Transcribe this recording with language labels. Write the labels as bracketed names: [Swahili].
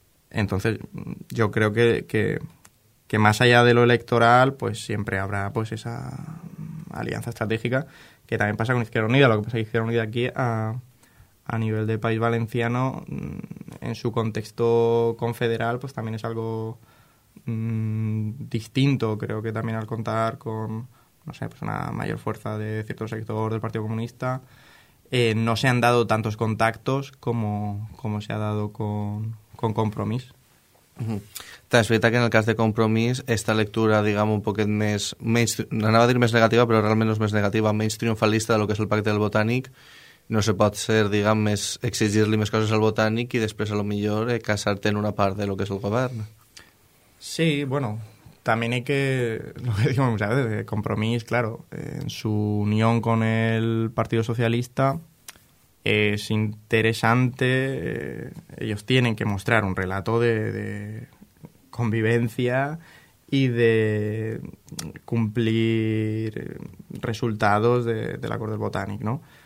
[Spanish] Entonces, yo creo que más allá de lo electoral, pues siempre habrá pues esa alianza estratégica, que también pasa con Izquierda Unida. Lo que pasa con Izquierda Unida aquí a nivel de País Valenciano, en su contexto confederal, pues también es algo distinto. Creo que también al contar con, no sé, pues una mayor fuerza de cierto sector del Partido Comunista, no se han dado tantos contactos como se ha dado con Compromís. [Catalan] Uh-huh. Es veritat que en el cas de Compromís, esta lectura, diguem, un poquet més, anava a dir més negativa, però realment no és més negativa, menys triomfalista de lo que és el Pacte del Botànic, no se pot ser, diguem, més exigir-li més coses al Botànic i després, a lo millor, casar-te en una part de lo que és el govern. [Spanish] Sí, bueno, también hay que, lo que digo muchas veces, de Compromís, claro, en su unión con el Partido Socialista es interesante, ellos tienen que mostrar un relato de convivencia y de cumplir resultados del acuerdo del Botánic, ¿no?